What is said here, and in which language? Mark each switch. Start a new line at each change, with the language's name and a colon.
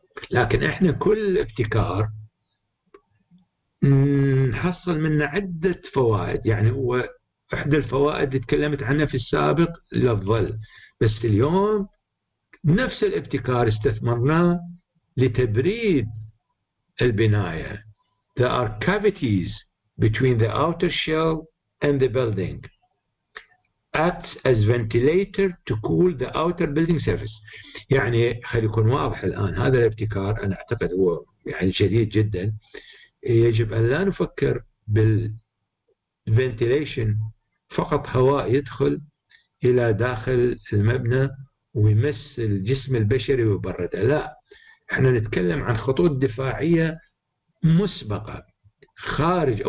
Arabic: لكن احنا كل ابتكار نحصل منه عدة فوائد، يعني هو إحدى الفوائد اللي تكلمت عنها في السابق للظل، بس اليوم نفس الابتكار استثمرناه لتبريد البناية.
English: There are cavities between the outer shell and the building acts as ventilator to cool the outer building surface.
Arabic: يعني خلي يكون واضح الآن هذا الابتكار أنا أعتقد هو يعني جديد جداً، يجب أن لا نفكر بالventilation فقط، هواء يدخل إلى داخل المبنى ويمس الجسم البشري ويبرده، لا، إحنا نتكلم عن خطوط دفاعية مسبقة خارج.